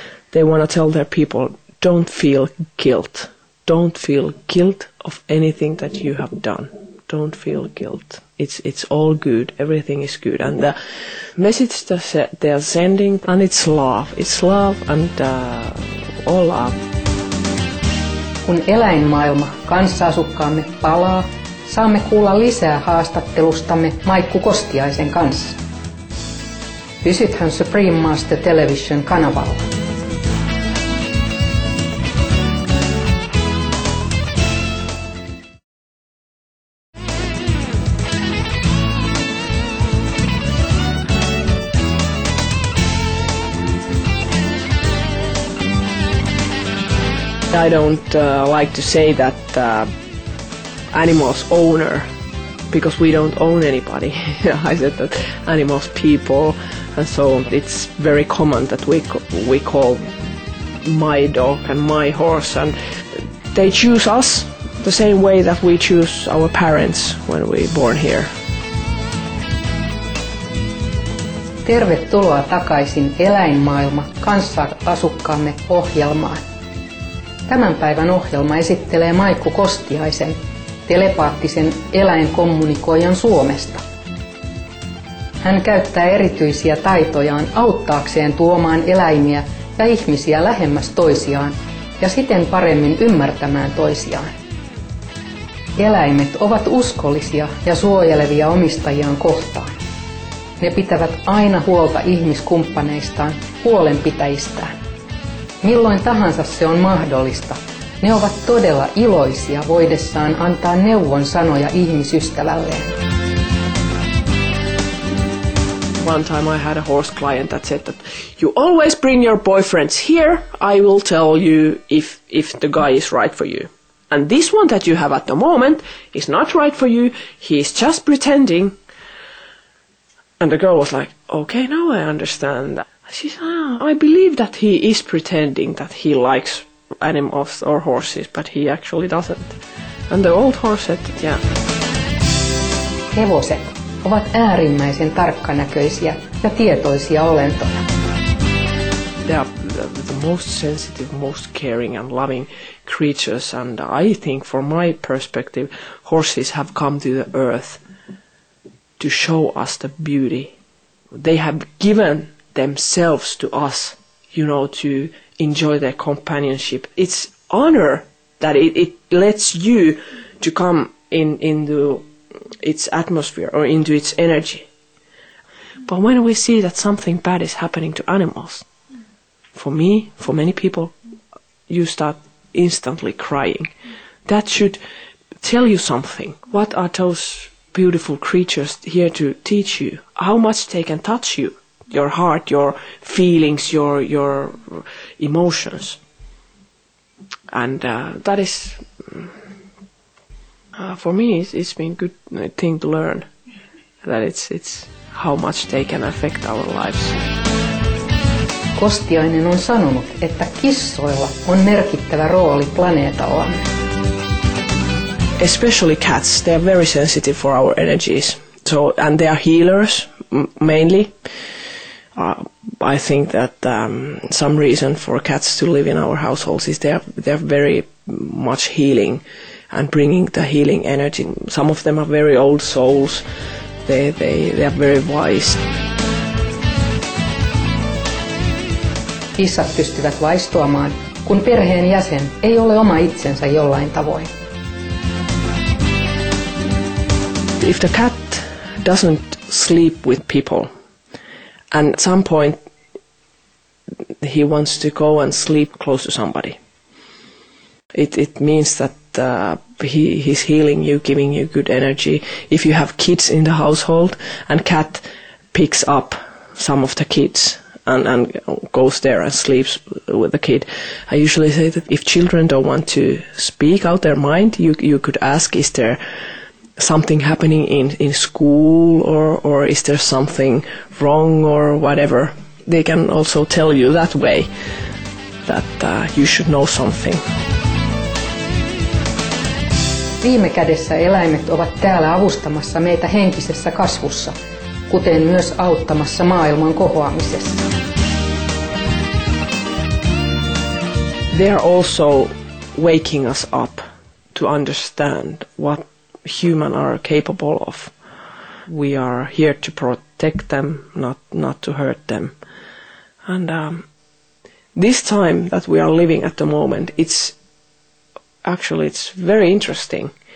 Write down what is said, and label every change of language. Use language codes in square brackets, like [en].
[en] They want to tell their people, don't feel guilt. Don't feel guilt of anything that you have done. Don't feel guilt. It's all good. Everything is good. And the message that they are sending, and it's love. It's love and all love. [fi] Kun eläinmaailma kanssa-asukkaamme palaa, saamme kuulla lisää haastattelustamme Maikku Kostiaisen kanssa. Pysythän Supreme Master Television -kanavalla. [en] I don't like to say that animals owner, because we don't own anybody. I said that animals people, and so it's very common that we call my dog and my horse, and they choose us the same way that we choose our parents when we're born here. [fi] Tervetuloa takaisin eläinmaailma kanssa asukkaamme -ohjelmaan. Tämän päivän ohjelma esittelee Maikku Kostiaisen, telepaattisen eläinkommunikoijan Suomesta. Hän käyttää erityisiä taitojaan auttaakseen tuomaan eläimiä ja ihmisiä lähemmäs toisiaan ja siten paremmin ymmärtämään toisiaan. Eläimet ovat uskollisia ja suojelevia omistajiaan kohtaan. Ne pitävät aina huolta ihmiskumppaneistaan, huolenpitäjistään. Milloin tahansa se on mahdollista, ne ovat todella iloisia voidessaan antaa neuvon sanoja ihmisystävälleen. [en] One time I had a horse client that said that you always bring your boyfriends here, I will tell you if the guy is right for you. And this one that you have at the moment is not right for you, he is just pretending. And the girl was like, okay, now I understand that. She said, I believe that he is pretending that he likes animals or horses, but he actually doesn't. And the old horse said, yeah. [fi] Hevoset ovat äärimmäisen tarkkanäköisiä ja tietoisia olentoja. [en] They are the most sensitive, most caring and loving creatures. And I think from my perspective, horses have come to the earth to show us the beauty. They have given themselves to us, you know, to enjoy their companionship. It's honor that it lets you to come into its atmosphere or into its energy. But when we see that something bad is happening to animals, for me, for many people, you start instantly crying. That should tell you something. What are those beautiful creatures here to teach you? How much they can touch you? Your heart, your feelings, your emotions. And that is For me, it's been a good thing to learn that it's how much they can affect our lives. [fi] Kostiainen on sanonut, että kissoilla on merkittävä rooli planeetalla. [en] Especially cats, they are very sensitive for our energies. So, and they are healers, mainly. I think that some reason for cats to live in our households is they're very much healing and bringing the healing energy. Some of them are very old souls. They are very wise. [fi] Kissat pystyvät vaistoamaan, kun perheen jäsen ei ole oma itsensä jollain tavoin. [en] If the cat doesn't sleep with people, and at some point he wants to go and sleep close to somebody, it means that he's healing you, giving you good energy. If you have kids in the household, and cat picks up some of the kids and goes there and sleeps with the kid, I usually say that if children don't want to speak out their mind, you could ask, is there something happening in school, or is there something wrong or whatever. They can also tell you that way, that you should know something. [fi] Viime kädessä eläimet ovat täällä avustamassa meitä henkisessä kasvussa, kuten myös auttamassa maailman kohoamisessa. [en] They are also waking us up to understand what humans are capable of. We are here to protect them, not to hurt them. And this time that we are living at the moment, it's very interesting.